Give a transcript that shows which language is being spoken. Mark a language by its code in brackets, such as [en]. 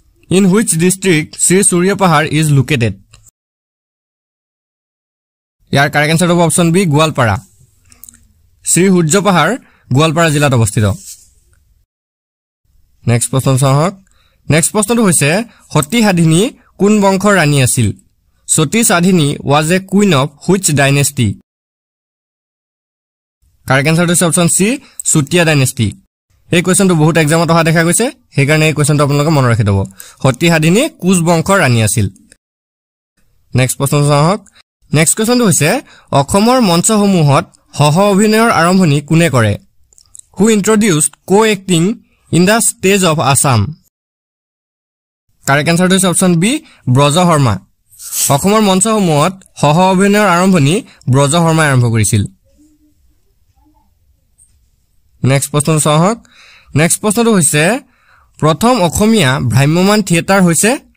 [en] In which district Shri Surya Pahar is located? [as] Year correct এনচাৰটো হ'ব option B, Goalpara. Shri সূৰ্য পাহাৰ গোৱালপাৰা জিলাত অৱস্থিত। নেক্সট প্ৰশ্ন চাওঁহক। নেক্সট প্ৰশ্নটো হৈছে, সতী সাধিনী কোন বংশৰ ৰাণী আছিল? [en] Sati Sadhini was a queen of which dynasty? [as] Correct এনচাৰটো হৈছে অপশ্যন চি, চুতীয়া ডাইনেষ্টি। এই কুৱেশ্যনটো বহুত এক্সামত অহা দেখা গৈছে, সেইকাৰণে এই কুৱেশ্যনটো আপোনালোকে মনত ৰাখি থ'ব। সতী সাধিনী কোচ বংশৰ ৰাণী আছিল। নেক্সট প্ৰশ্ন চাওঁহক। নেক্সট কুৱেশ্যনটো হৈছে, অসমৰ মঞ্চসমূহত সহ অভিনয়ৰ আৰম্ভণি কোনে কৰে? [en] Who introduced কো acting in the stage of Assam? [as] Correct এনচাৰটো হৈছে অপশ্যন বি, ব্ৰজ শৰ্মা। অসমৰ মঞ্চসমূহত সহ অভিনয়ৰ আৰম্ভণি ব্ৰজ শৰ্মাই আৰম্ভ কৰিছিল। নেক্সট প্ৰশ্নটো চাওঁহক। নেক্সট প্ৰশ্নটো হৈছে, প্ৰথম অসমীয়া ভ্ৰাম্যমান থিয়েটাৰ হৈছে?